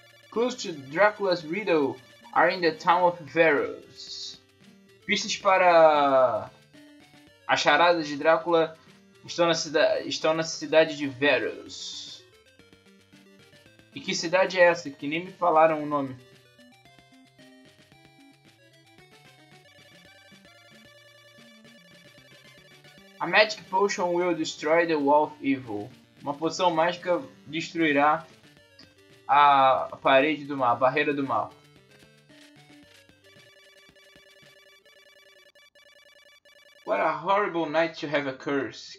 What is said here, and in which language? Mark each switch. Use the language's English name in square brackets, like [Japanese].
[English] Clues to Dracula's riddle are in the town of Veros. [Portuguese] Pistas para a charada de Drácula estão na cidade de Veros. E que cidade é essa? Que nem me falaram o nome. [English] A magic potion will destroy the wall of evil. [Portuguese] Uma poção mágica destruirá a parede do mal, a barreira do mal. [English] What a horrible night to have a curse.